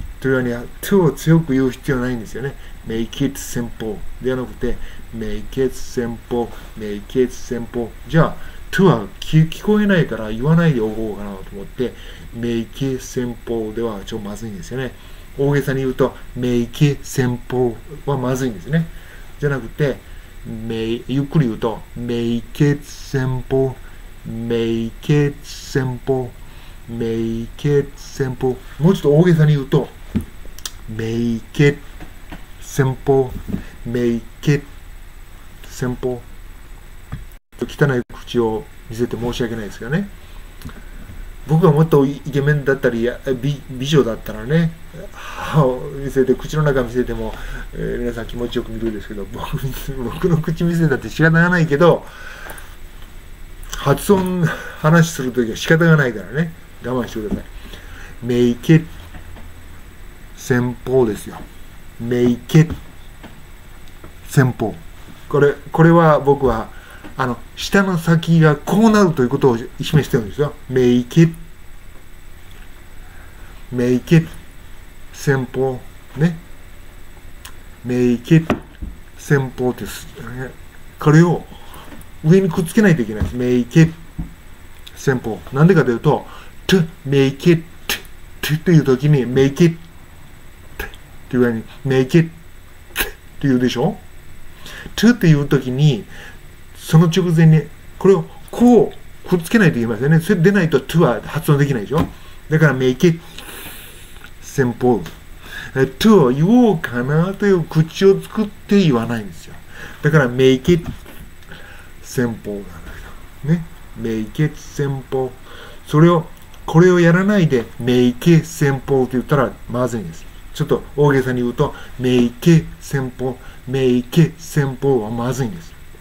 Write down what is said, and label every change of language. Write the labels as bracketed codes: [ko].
[ja] というように、to を強く言う必要ないんですよね。 [en] Make it simple [ja] ではなくて、 [en] Make it simple, make it simple。 [ja] じゃあ、to は聞こえないから言わないでおこうかなと思って、 [en] Make it simple [ja] ではちょっとまずいんですよね。大げさに言うと、 [en] Make it simple [ja] はまずいんですね。じゃなくて、ゆっくり言うと、 [en] Make it simple, make it simple, make it simple。 [ja] もうちょっと大げさに言うと、 [en] Make it simple, make it simple. [ja] 汚い口を見せて申し訳ないですけどね。僕がもっとイケメンだったり美女だったらね、歯を見せて口の中見せても、皆さん気持ちよく見るんですけど、僕の口見せたって仕方がないけど、発音話するときは仕方がないからね、我慢してください。 [en] Make it simple [ja] ですよ。 [en] make it simple。 [ja] これは僕は舌の先がこうなるということを示してるんですよ。 [en] make it make it simple [ja] ね。 [en] make it simple [ja] です。これを上にくっつけないといけないです。 [en] make it simple。 [ja] なんでかというと [en] to make it to [ja] という時に [en] make it [ja] いうように [en] make it [ja] って言うでしょ。 to って言うときにその直前にこれをこうくっつけないといけませんね。それでないと to は発音できないでしょ。だから [en] make it simple。 [ja] to を言おうかなという口を作って言わないんですよ。だから [en] make it simple [ja] なんだけどね。 [en] make it simple。 [ja] それをこれをやらないで [en] make it simple [ja] って言ったらまずいんです。ちょっと大げさに言うと、 [en] make it simple, make it simple [ja] はまずいんです。